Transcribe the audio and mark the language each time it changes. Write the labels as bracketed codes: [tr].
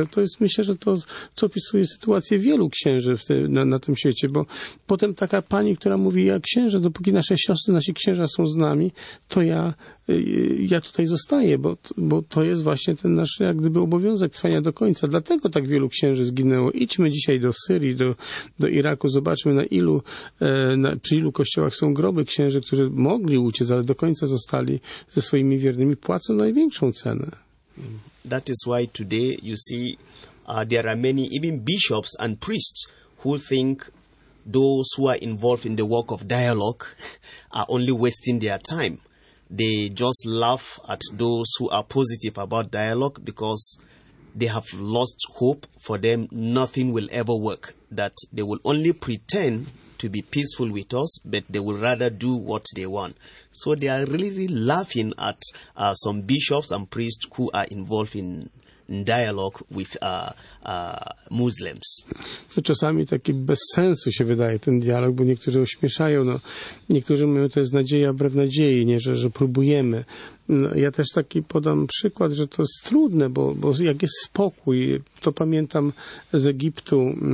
[pl] To jest, myślę, że to, co opisuje sytuację wielu księży na tym świecie, bo potem taka pani, która mówi, ja księże, dopóki nasze siostry, nasi księża są z nami, to ja tutaj zostaję, bo to jest właśnie ten nasz, jak gdyby, obowiązek trwania do końca. Dlatego tak wielu księży zginęło. Idźmy dzisiaj do Syrii, do Iraku, zobaczmy przy ilu kościołach są groby księży, którzy mogli uciec, ale do końca zostali ze swoimi wiernymi, płacą największą cenę. [en] That is why today, you see, there are many, even bishops and priests, who think those who are involved in the work of dialogue are only wasting their time. They just laugh at those who are positive about dialogue because they have lost hope. For them, nothing will ever work. That they will only pretend to be peaceful with us, but they will rather do what they want. So they are really laughing at some bishops and priests who are involved in dialogue with Muslims. [pl] To czasami taki bez sensu się wydaje ten dialog, bo niektórzy ośmieszają. No, niektórzy mówią, to jest nadzieja wbrew nadziei, nie, że próbujemy. No, ja też taki podam przykład, że to jest trudne, bo jak jest spokój, to pamiętam z Egiptu,